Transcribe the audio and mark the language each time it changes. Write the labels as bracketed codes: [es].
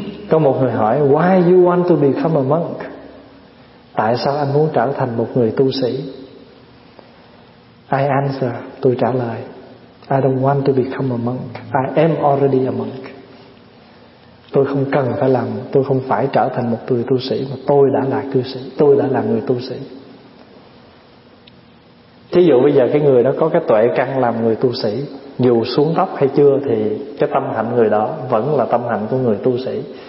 [vi] Có một người hỏi [en] why you want to become a monk, [vi] tại sao anh muốn trở thành một người tu sĩ. [en] I answer, [vi] tôi trả lời, [en] I don't want to become a monk, I am already a monk. [vi] Tôi không cần phải làm, tôi không phải trở thành một người tu sĩ, mà tôi đã là cư sĩ, tôi đã là người tu sĩ. Thí dụ bây giờ cái người đó có cái tuệ căn làm người tu sĩ, dù xuống tóc hay chưa thì cái tâm hạnh người đó vẫn là tâm hạnh của người tu sĩ.